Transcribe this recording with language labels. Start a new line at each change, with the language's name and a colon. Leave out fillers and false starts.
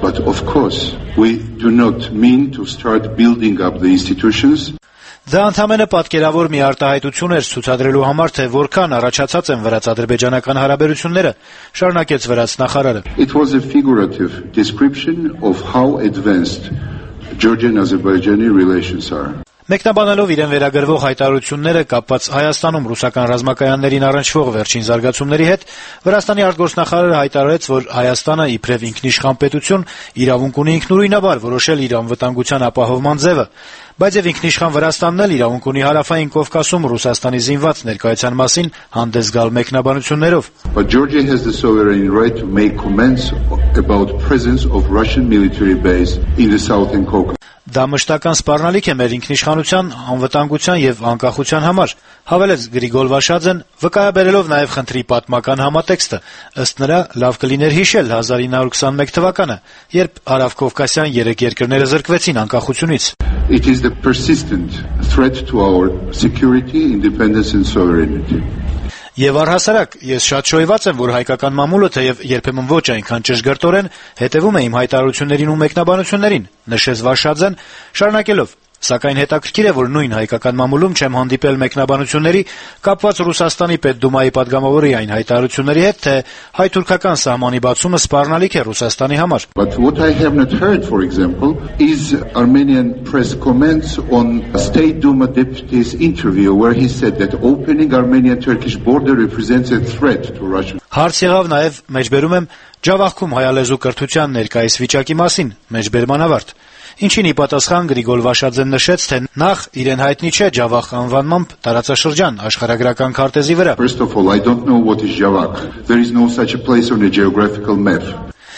English: But of course, we do not mean to start building up the institutions.
Armenian: Դա ընդամենը պատկերավոր մի արտահայտություն էր ցուցադրելու համար, թե որքան առաջացած են վրաց-ադրբեջանական հարաբերությունները, շարունակեց վրաց նախարարը։
English: It was a figurative description of how advanced Georgian-Azerbaijani relations are.
Armenian: Մեկնաբանելով իրեն վերագրվող հայտարարությունները կապված Հայաստանում ռուսական ռազմակայաններին առնչվող վերջին զարգացումների հետ, Վրաստանի արտգործնախարարը հայտարարեց, որ Հայաստանը իբրև ինքնիշխան պետություն իրավունք ունի ինքնուրույնաբար որոշել իր անվտանգության ապահովման ձևը, բայց եւ ինքնիշխան Վրաստանն էլ իրավունք ունի հարավային Կովկասում Ռուսաստանի զինված ներկայության մասին հանդես գալ մեկնաբանություններով։
English: But Georgia has the sovereign right to make comments about presence of Russian military base in the Southern Caucasus.
Armenian: Դա մշտական սպառնալիք է մեր ինքնիշխանության, անվտանգության եւ անկախության համար, հավելեց Գրիգոլ Վաշաձեն, վկայաբերելով նաեւ խնդրի պատմական համատեքստը։ Ըստ նրա, լավ կլիներ հիշել 1921 թվականը, երբ Հարավ-Կովկասյան երեք երկրները զրկվեցին անկախությունից։
English: It is the persistent threat to our security, independence and sovereignty.
Armenian: Եվ առհասարակ ես շատ շոյված եմ, որ հայկական մամուլը, թեև երբեմն ոչ այնքան ճշգրտորեն, հետևում է իմ հայտարարություններին ու մեկնաբանություններին, նշեց Վաշաձեն, շարունակելով. Սակայն հետաքրքիր է, որ նույն հայկական մամուլում չեմ հանդիպել մեկնաբանությունների կապված Ռուսաստանի պետդումայի պատգամավորի այն հայտարարությունների հետ, թե հայ-թուրքական սահմանի բացումը սպառնալիք է Ռուսաստանի համար։
English: But what I have not heard, for example, is Armenian press comments on a State Duma deputy's interview where he said that opening Armenian-Turkish border represents a threat to Russia.
Armenian: Հարց եղավ նաև, մեջբերում եմ, ջավախքում հայալեզու կրթության ներկայիս վիճակի մասին, մեջբերման ավարտ։ Ինչին ի պատասխան Գրիգոլ Վաշաձեն նշեց, թե նախ իրեն հայտնի չէ Ջավախ անվանումը տարածաշրջան աշխարհագրական քարտեզի վրա։